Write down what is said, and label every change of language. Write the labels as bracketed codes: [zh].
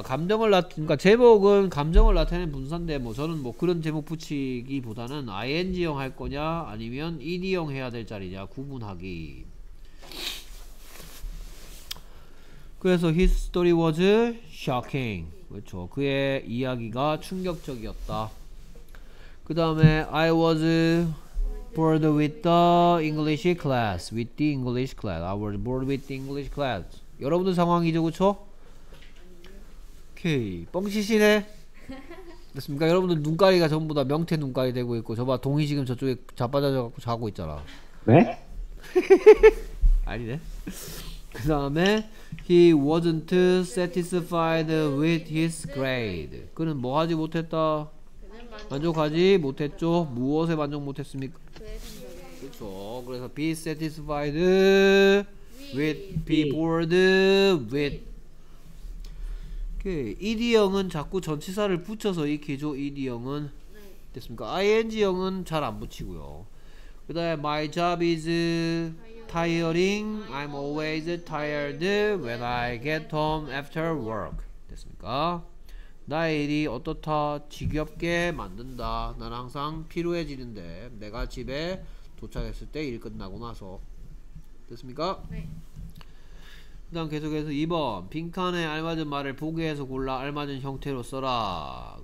[ko] 감정을 나타내, 그러니까 제목은 감정을 나타내는 분사인데 뭐 저는 뭐 그런 제목 붙이기보다는 ing형 할 거냐 아니면 ed형 해야 될 자리냐 구분하기. 그래서 [en] his story was shocking. [ko] 그렇죠. 그의 이야기가 충격적이었다. 그 다음에 [en] I was bored with the English class. With the English class. I was bored with the English class. [ko] 여러분들 상황이죠. 그렇죠? 오케이. 뻥치시네. 됐습니까? 여러분들 눈가리가 전부 다 명태 눈가리 되고 있고 저봐 동이 지금 저쪽에 자빠져서 자고 있잖아. 왜? 아니네. 그 다음에 [en] He wasn't satisfied with his grade. [ko] 그는 뭐 하지 못했다? 만족하지 못했죠. 무엇에 만족 못했습니까? 그렇죠. 그래서 [en] be satisfied with, be bored with. [ko] 오케이. ed형은 자꾸 전치사를 붙여서 익히죠. ed형은. 됐습니까? ing형은 잘 안 붙이고요. 그 다음에 [en] my job is tiring. I'm always tired when I get home after work. [ko] 됐습니까? 나의 일이 어떻다? 지겹게 만든다. 난 항상 피로해지는데 내가 집에 도착했을 때 일 끝나고 나서. 됐습니까? 네. 그 다음 계속해서 2번. 빈칸에 알맞은 말을 보기해서 골라 알맞은 형태로 써라.